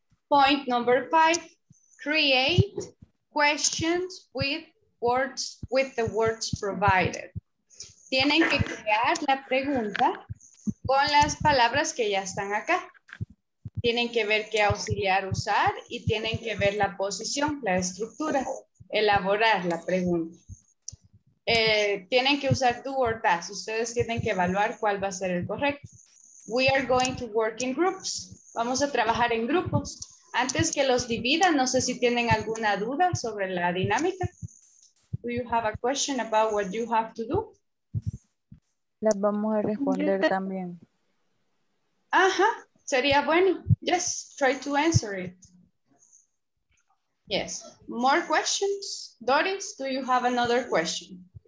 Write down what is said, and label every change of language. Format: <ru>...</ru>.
<en>Point number 5, create questions with words, with the words provided.</en> <es>Tienen que crear la pregunta con las palabras que ya están acá. Tienen que ver qué auxiliar usar y tienen que ver la posición, la estructura, elaborar la pregunta. Tienen que usar</es> <en>do or does.</en> <es>Ustedes tienen que evaluar cuál va a ser el correcto.</es> <en>We are going to work in groups.</en> <es>Vamos a trabajar en grupos. Antes que los divida, no sé si tienen alguna duda sobre la dinámica.</es> <en>Do you have a question about what you have to do?</en> <es>Las vamos a responder también. Sería bueno.</es> <en>Yes, try to answer it. Yes. More questions? Doris, do you have another question?</en>